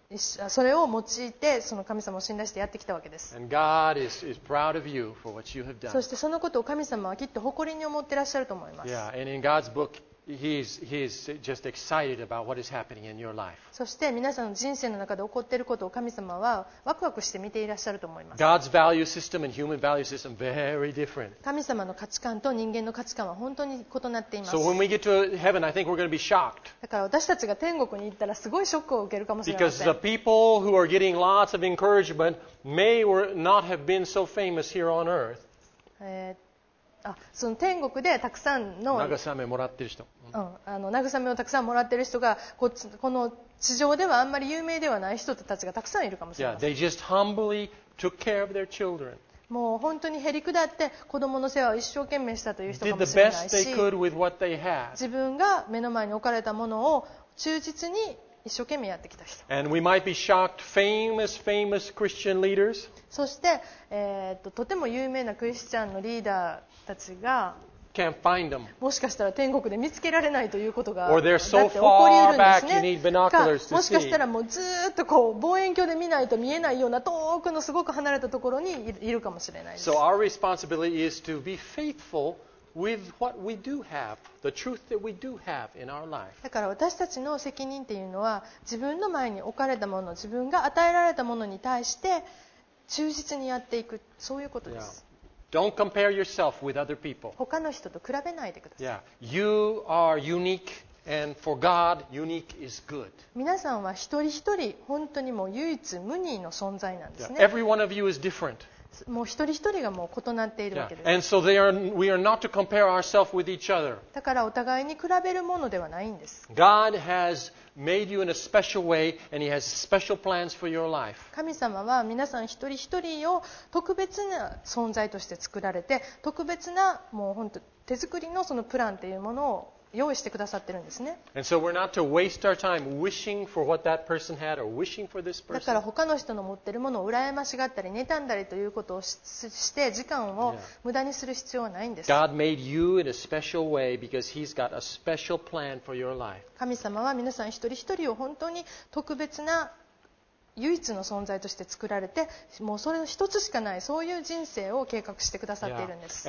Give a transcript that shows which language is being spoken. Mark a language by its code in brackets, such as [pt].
[ja] うん、それを用いてその神様を信頼してやってきたわけです。 [en] And God is proud of you for what you have done. [ja] そしてそのことを神様はきっと誇りに思ってらっしゃると思います。 [en] Yeah, and in God's book, he's just excited about what is happening in your life. [ja] そして皆さんの人生の中で起こっていることを神様はワクワクして見ていらっしゃると思います。 [en] God's value system and human value system very different. [ja] 神様の価値観と人間の価値観は本当に異なっています。 [en] So when we get to heaven, I think we're going to be shocked. [ja] だから私たちが天国に行ったらすごいショックを受けるかもしれません。 [en] Because the people who are getting lots of encouragement may or not have been so famous here on earth. [ja] その天国でたくさんの慰めもらってる人、うん、慰めをたくさんもらってる人が この地上ではあんまり有名ではない人たちがたくさんいるかもしれません。 [en] Yeah, they just humbly took care of their children. [ja] もう本当にへりくだって子供の世話を一生懸命したという人かもしれないし、 [en] did the best they could with what they had. [ja] 自分が目の前に置かれたものを忠実に一生懸命やってきた人。 [en] And we might be shocked, famous Christian leaders. [ja] そして、とても有名なクリスチャンのリーダーたちが、 [en] can't find them. [ja] もしかしたら天国で見つけられないということが、 [en] or they're so far back you need binoculars to see. [ja] もしかしたらもうずっとこう望遠鏡で見ないと見えないような遠くのすごく離れたところにいるかもしれないです。 [en] So our responsibility is to be faithful with what we do have, the truth that we do have in our life. [ja] だから私たちの責任というのは、自分の前に置かれたもの、自分が与えられたものに対して忠実にやっていく、そういうことです。 [en] Yeah. Don't compare yourself with other people. [ja] 他の人と比べないでください。 [en] Yeah. You are unique, and for God, unique is good. [ja] 皆さんは一人一人本当にもう唯一無二の存在なんですね。 [en] Yeah. Every one of you is different. [ja] もう一人一人がもう異なっているわけです。 [en] Yeah. And so we are not to compare ourselves with each other. [ja] だからお互いに比べるものではないんです。 [en] God has made you in a special way, and He has special plans for your life. [ja] 神様は皆さん一人一人を特別な存在として作られて、特別なもう本当手作りのそのプランというものを用意してくださってるんですね。 [en] And so we're not to waste our time wishing for what that person had or wishing for this person. [ja] だから他の人の持ってるものを羨ましがったり妬んだりということをして時間を無駄にする必要はないんです。 [en] God made you in a special way because He's got a special plan for your life. [ja] 神様は皆さん一人一人を本当に特別な唯一の存在として作られて、もうそれの一つしかないそういう人生を計画してくださっているんです。